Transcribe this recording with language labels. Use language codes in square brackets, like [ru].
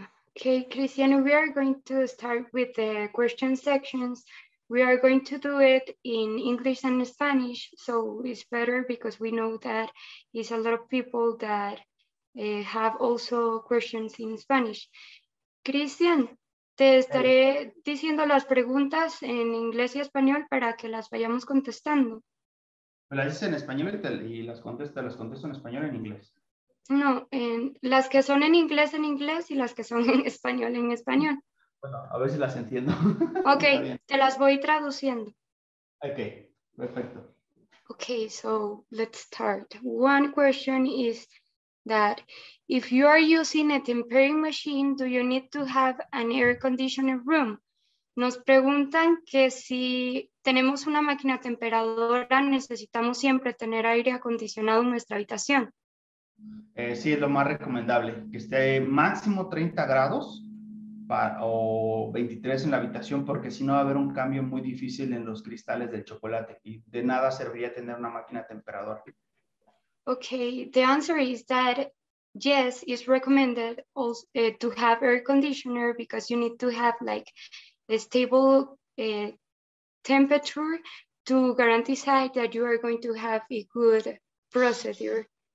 [en] Okay, Christian, we are going to start with the question sections. We are going to do it in English and Spanish, so it's better because we know that it's a lot of people that have also questions in Spanish. [es] Christian, te estaré diciendo las preguntas en inglés y español para que las vayamos contestando. ¿Me las dices en español y las contesto, en español o en inglés? No, en las que son en inglés y las que son en español. Bueno, a ver si las entiendo. Ok, te las voy traduciendo. Ok, perfecto. [en] Ok, so let's start. One question is that if you are using a tempering machine, do you need to have an air conditioned room? [es] Nos preguntan que si tenemos una máquina temperadora, necesitamos siempre tener aire acondicionado en nuestra habitación. Sí, es lo más recomendable, que esté máximo 30 grados o 23 en la habitación, porque si no va a haber un cambio muy difícil en los cristales del chocolate y de nada serviría tener una máquina temperadora. [en] Okay, the answer is that yes, it's recommended also, to have air conditioner because you need to have like a stable temperature to guarantee that you are going to have a good procedure.